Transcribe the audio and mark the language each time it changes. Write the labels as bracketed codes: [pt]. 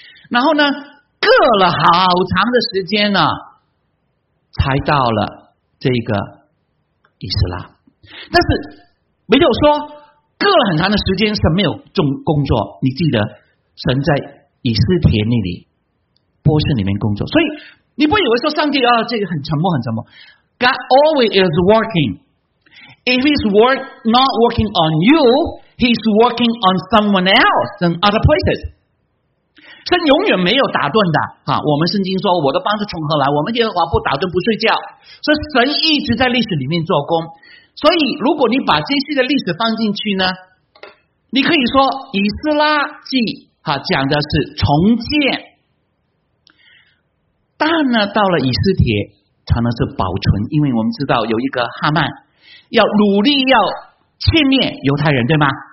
[zh] 然后呢隔了好长的时间呢才到了这个伊斯兰。但是没有说隔了很长的时间是没有工作，你记得神在以斯帖那里波士里面工作。所以你不以为说上帝啊这个很沉默很沉默。 [en] God always is working。 If he's not working on you, he's working on someone else in other places. [zh] 神永远没有打盹的，我们圣经说我的帮助从何来，我们耶和华不打盹不睡觉，所以神一直在历史里面做工。所以如果你把这些的历史放进去呢，你可以说以斯拉记讲的是重建，但呢到了以斯帖讲的是保存，因为我们知道有一个哈曼要努力要歼灭犹太人，对吗？